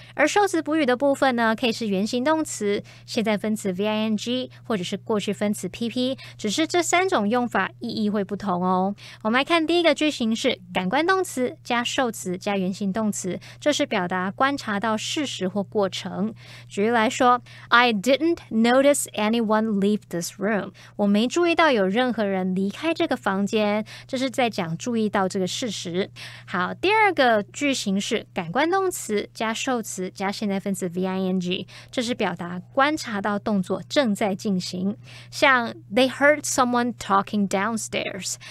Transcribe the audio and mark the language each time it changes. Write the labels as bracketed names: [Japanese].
[Chinese] 而受词补语的部分呢，可以是原形动词、现在分词 ving 或者是过去分词 pp， 只是这三种用法意义会不同哦。我们来看第一个句型是感官动词加受词加原形动词，这是表达观察到事实或过程。举例来说 [English] I didn't notice anyone leave this room. [Chinese] 我没注意到有任何人离开这个房间，这是在讲注意到这个事实。好，第二个句型是感官动词加受词加现在分词 ving， 这是表达观察到动作正在进行。像 [English] They heard someone talking downstairs.